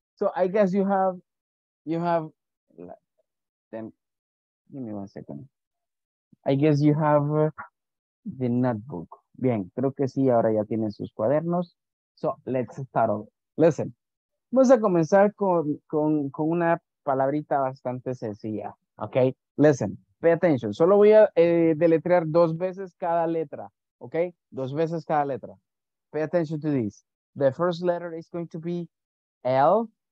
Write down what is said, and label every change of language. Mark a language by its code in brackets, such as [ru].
[en] So I guess you have, then give me one second. I guess you have the notebook. [es] Bien, creo que sí, ahora ya tienen sus cuadernos. [en] So, let's start over. [es] Listen, vamos a comenzar con una palabrita bastante sencilla, ¿ok? [en] Listen, pay attention. [es] Solo voy a deletrear dos veces cada letra, ¿ok? Dos veces cada letra. [en] Pay attention to this. The first letter is going to be L.